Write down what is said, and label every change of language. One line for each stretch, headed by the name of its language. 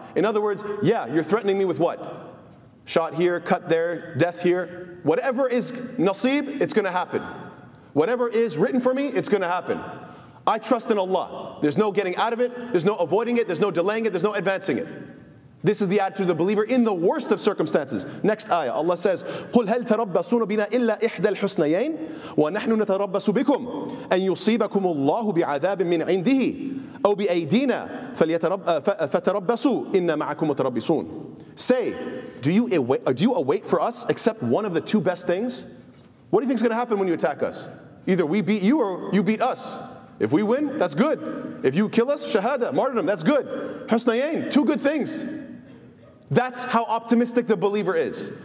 English: In other words, yeah, you're threatening me with what? Shot here, cut there, death here. Whatever is nasib, it's going to happen. Whatever is written for me, it's going to happen. I trust in Allah. There's no getting out of it. There's no avoiding it. There's no delaying it. There's no advancing it. This is the attitude of the believer in the worst of circumstances. Next ayah, Allah says,
Arabic: قُلْ هَلْ تَرَبَّصُونَ بِنَا إِلَّا إِحْدَى الْحُسْنَيَيْنِ وَنَحْنُ نَتَرَبَّصُ بِكُمْ أَنْ يُصِيبَكُمُ اللَّهُ بِعَذَابٍ مِّنْ عِنْدِهِ أَوْ بِأَيْدِينَا فَتَرَبَّصُوا إِنَّ مَعَكُمُ تَرَبِّصُونَ.
English: Say, do you await for us except one of the two best things? What do you think is going to happen when you attack us? Either we beat you or you beat us. If we win, that's good. If you kill us, shahada, martyrdom, that's good. Husnayain, two good things. That's how optimistic the believer is.